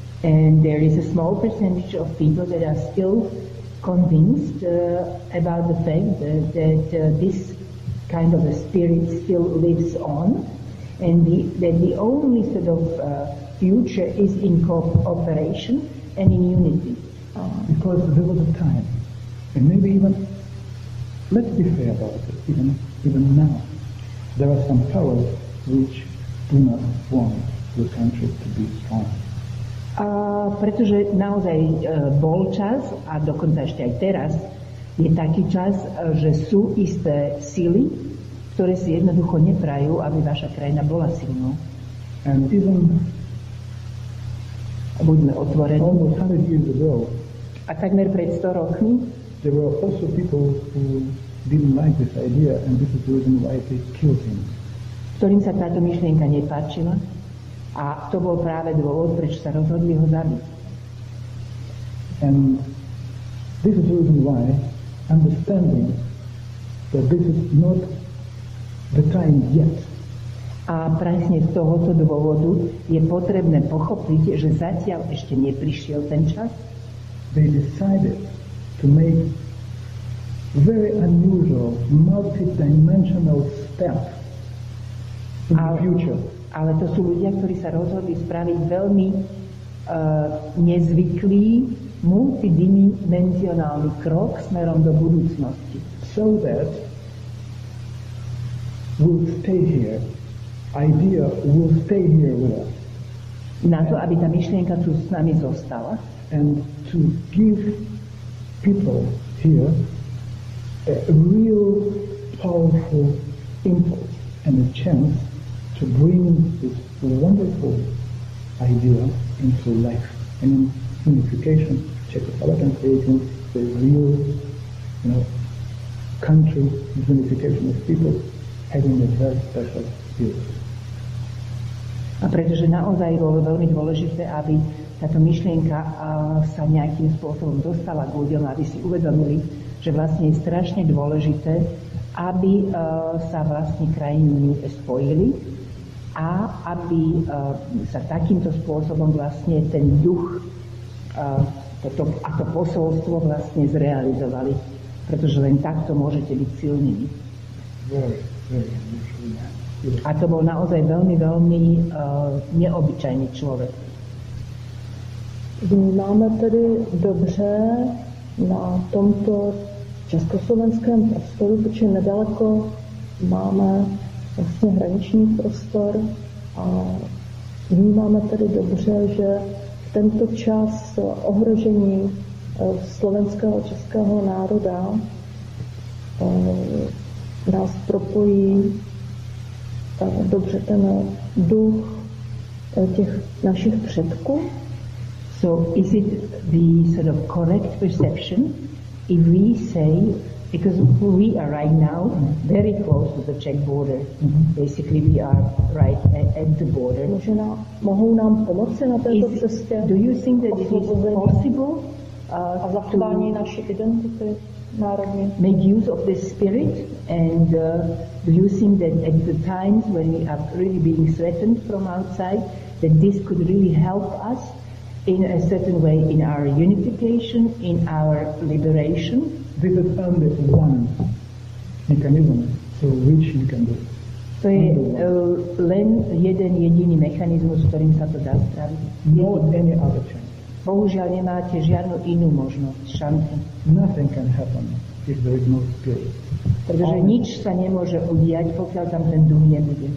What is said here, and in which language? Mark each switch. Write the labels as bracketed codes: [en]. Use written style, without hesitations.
[en] And there is a small percentage of people that are still convinced about the fact that this kind of a spirit still lives on, and that the only sort of future is in cooperation and in unity. Because there was a time, and maybe even, let's be fair about it, even now, there are some powers which do not want the country to be strong. [sk] Pretože naozaj bol čas a dokonca ešte aj teraz je taký čas, že sú isté sily, ktoré si jednoducho neprajú, aby vaša krajina bola silná. [en] And even [sk] buďme otvorení. [en] Almost 100 years ago, [sk] a takmer pred 100 rokmi [en] there were also people who didn't like this idea and this is the reason why they killed him. [sk] Ktorým sa táto myšlienka nepáčila. A to bol práve dôvod, prečo sa rozhodli ho zabiť. [en] And this is the reason why understanding that this is not the time yet. [sk] A presne z tohoto dôvodu je potrebné pochopiť, že zatiaľ ešte neprišiel ten čas. [en] They decided to make very unusual multidimensional step in the future. [sk] Ale to sú ľudia, ktorí sa rozhodli spraviť veľmi nezvyklý, multidimensionálny krok smerom do budúcnosti. [en] So that will stay here. Idea will stay here with us. [sk] Na to, aby tá myšlienka tu s nami zostala. [en] And to give people here a real powerful impulse and a chance to bring this wonderful idea into life and in unification, Czechoslovakian creation, the real, you know, country unification of people having a very special spirit. [sk] A pretože naozaj bolo veľmi dôležité, aby táto myšlienka sa nejakým spôsobom dostala k ľuďom, aby si uvedomili, že vlastne je strašne dôležité, aby sa vlastne krajiny spojili a aby sa takýmto spôsobom vlastne ten duch a to posolstvo vlastne zrealizovali. Pretože len takto môžete byť silnými. A to bol naozaj veľmi, veľmi neobyčajný človek. [cs] Vnímáme tedy dobře na tomto československém prostoru, protože nedaleko máme vlastně hraniční prostor a vnímáme tedy dobře, že tento čas ohrožení slovenského českého národa nás propojí dobře ten duch těch našich předků. [en] So is it the sort of correct perception if we say, because we are right now very close to the Czech border, basically we are right at the border. [cs] Možná mohou nám pomoci na této cestě. [en] Do you think that it is possible [cs] a zachování naší identity národní? [en] Make use of this spirit and do you think that at the times when we are really being threatened from outside, that this could really help us in a certain way, in our unification, in our liberation? We have found that one mechanism through which we can do. [sk] To je len jeden jediný mechanizmus, ktorým sa to dá spraviť. [en] Not any other chance. [sk] Bohužiaľ, nemáte žiadnu inú možnosť, šancu. [en] Nothing can happen if there is no spirit. [sk] Pretože nič sa nemôže udiať, pokiaľ tam ten duch nebude.